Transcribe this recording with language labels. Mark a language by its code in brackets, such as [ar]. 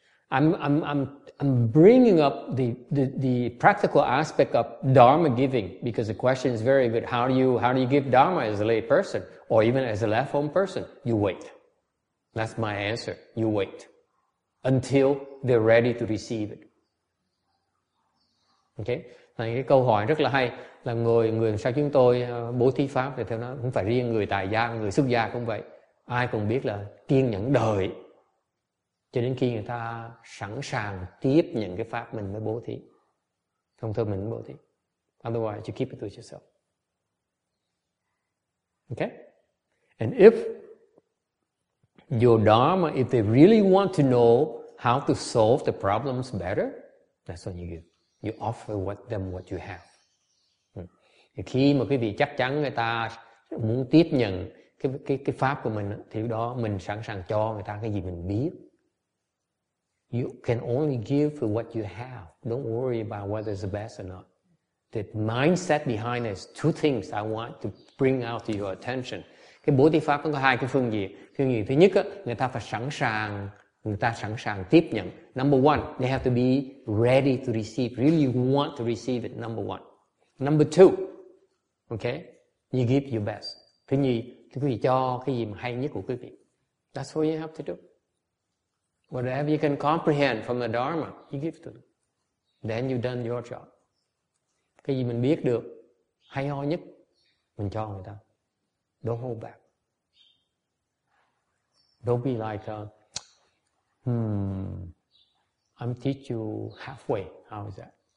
[en] I'm bringing up the practical aspect of Dharma giving because the question is very good. How do you give Dharma as a lay person or even as a left home person? You wait. That's my answer. You wait until they're ready to receive it. Okay? [vi] Thành cái câu hỏi rất là hay, là người sao chúng tôi bố thí pháp thì theo nó không phải riêng người tài gia, người xuất gia cũng vậy. Ai cũng biết là kiên nhẫn đợi cho đến khi người ta sẵn sàng tiếp nhận cái pháp mình mới bố thí. Thông thường mình mới bố thí. [en] Otherwise, you keep it to yourself. Okay? And if your dharma, if they really want to know how to solve the problems better, that's what you give. You offer them what you have. [vi] Thì khi mà quý vị chắc chắn người ta muốn tiếp nhận cái pháp của mình, thì đó mình sẵn sàng cho người ta cái gì mình biết. [en] You can only give for what you have. Don't worry about whether it's the best or not. The mindset behind it is two things I want to bring out to your attention. [vi] Cái bố thí pháp có hai cái phương diện. Phương diện thứ nhất, người ta phải sẵn sàng, người ta sẵn sàng tiếp nhận. [en] Number one, they have to be ready to receive, really want to receive it, number one. Number two, okay, you give your best. [vi] Thứ nhì, quý vị cho cái gì mà hay nhất của quý vị. [en] That's what you have to do. Whatever you can comprehend from the Dharma, you give to them. Then you've done your job. [vi] Cái gì mình biết được, hay ho nhất, mình cho người ta. [en] Don't hold back. Don't be like, I'm teach you halfway. How is that?